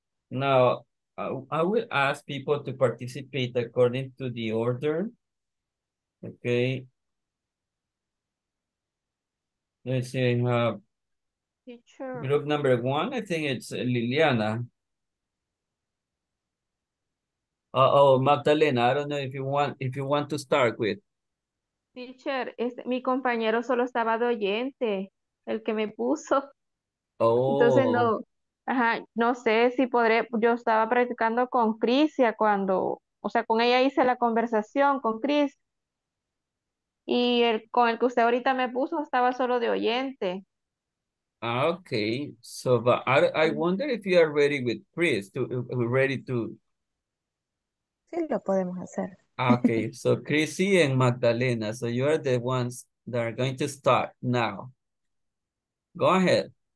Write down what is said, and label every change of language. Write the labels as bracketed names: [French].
[English] Now, I will ask people to participate according to the order. Okay. Let's see, I have group number one. I think it's Liliana. Magdalena, I don't know if you want to start with. [Spanish] Teacher, mi compañero solo estaba de oyente, el que me puso. Oh. Entonces no. Ajá, no sé si podré, yo estaba practicando con Crisia cuando, o sea, con ella hice la conversación con Cris. Y con el que usted ahorita me puso estaba solo de oyente. [English] Ah, okay. So but I wonder if you are ready with Cris to ready to. [Spanish] Sí, lo podemos hacer. [English] Okay, so Crisy and Magdalena, so you are the ones that are going to start now. Go ahead.